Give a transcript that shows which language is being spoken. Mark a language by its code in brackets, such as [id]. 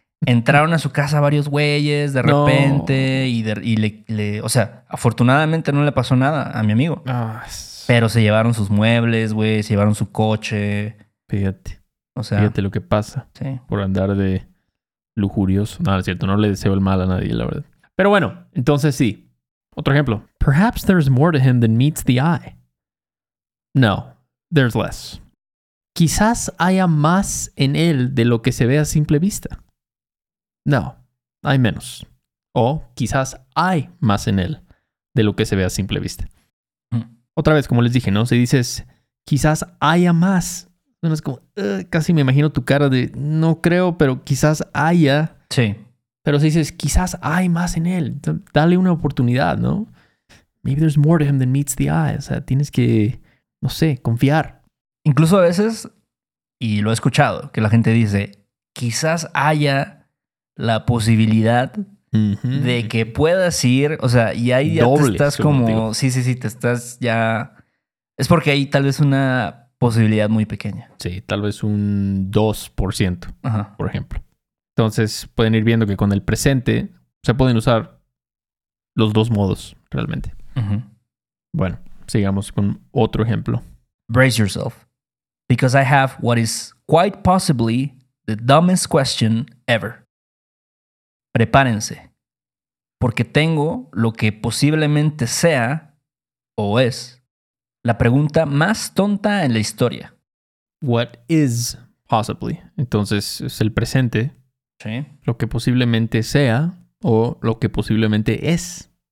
[es] entraron a su casa varios güeyes de repente. No. O sea, afortunadamente no le pasó nada a mi amigo. Pero se llevaron sus muebles, güey. Se llevaron su coche. Fíjate. O sea... Fíjate lo que pasa. Sí. Por andar de lujurioso. No, es cierto. No le deseo el mal a nadie, la verdad. Pero bueno, entonces sí. Otro ejemplo. [en] Perhaps there's more to him than meets the eye. No, there's less. [es] Quizás haya más en él de lo que se ve a simple vista. No, hay menos. O quizás hay más en él de lo que se ve a simple vista. Otra vez, como les dije, ¿no? Si dices, quizás haya más. Bueno, es como, casi me imagino tu cara de, no creo, pero quizás haya. Sí. Pero si dices, quizás hay más en él. Dale una oportunidad, ¿no? [en] Maybe there's more to him than meets the eye. [es] O sea, tienes que, no sé, confiar. Incluso a veces, y lo he escuchado, que la gente dice, quizás haya la posibilidad... Uh-huh. De que puedas ir, o sea, y ahí ya dobles, te estás como... Sí, te estás ya... Es porque hay tal vez una posibilidad muy pequeña. Sí, tal vez un 2%, por ejemplo. Entonces, pueden ir viendo que con el presente se pueden usar los dos modos realmente. Uh-huh. Bueno, sigamos con otro ejemplo. [en] Brace yourself, because I have what is quite possibly the dumbest question ever. [es] Prepárense, porque tengo lo que posiblemente sea, o es, la pregunta más tonta en la historia. [en] What is possibly? [es] Entonces, es el presente. Sí. Lo que posiblemente sea, o lo que posiblemente es.